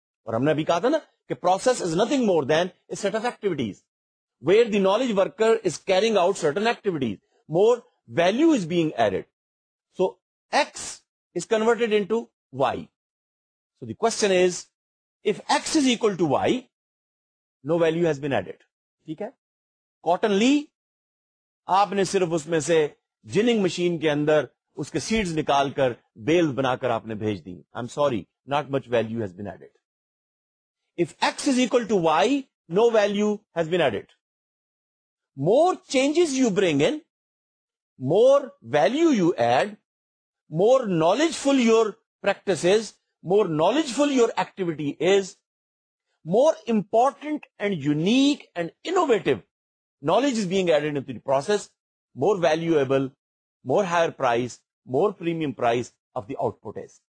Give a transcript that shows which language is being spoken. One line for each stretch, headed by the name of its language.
Urdu: اور ہم نے ابھی کہا تھا نا کہ
English: process is nothing more than a set of activities where the knowledge worker is carrying out certain activities. More value is being added. So X is converted into Y. So the question is, if X is equal to Y, no value has been added.
Urdu: ٹھیک ہے. Cotton Lee, آپ نے صرف اس میں سے ginning machine کے اندر اس کے seeds نکال کر بیل بنا کر آپ نے بھیج دی.
English: I'm sorry, not much value has been added. If X is equal to Y, no value has been added. More changes you bring in, more value you add, more knowledgeful your practice is, more knowledgeful your activity is, more important and unique and innovative knowledge is being added into the process, more valuable, more higher price, more premium price of the output is.